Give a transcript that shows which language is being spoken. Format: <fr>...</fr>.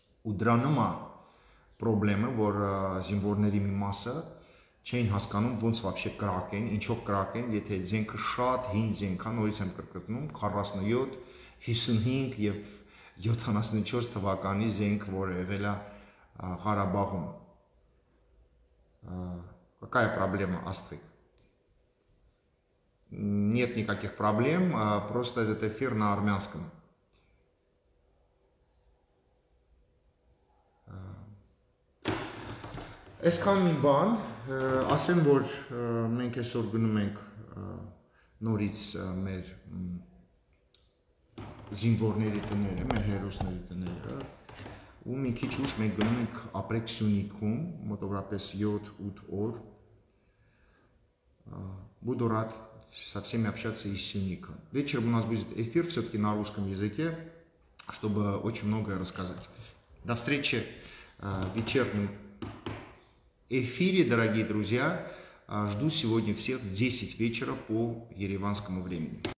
<hy>ու դրանում է պրոբլեմը, որ զինվորների մի մասը չեն հասկանում ոնց վաբշե կրակեն, ինչով կրակեն, եթե զենքը շատ հին զենք, նորից են կրկրտնում 47, 55 եւ 74 թվականի զենք, որը եղել է Ղարաբաղում։</hy> <ru>Какая проблема, Астрик? Нет никаких проблем, просто этот эфир на армянском.</ru> <hy>Այսքան մի բան, ասեմ, որ մենք այսօր գնում ենք նորից մեր զինվորների տները, մեր հերոսների տները, ու մի քիչ ուշ մենք գնում ենք ապրեք Սյունիքում, մոտավորապես 7-8 օր,</hy> <ru>буду рад со всеми общаться из Сюника. Вечером у нас будет эфир все-таки на русском языке, чтобы очень многое рассказать. До встречи в вечернем эфире, дорогие друзья. Жду сегодня всех в 10 вечера по ереванскому времени.</ru>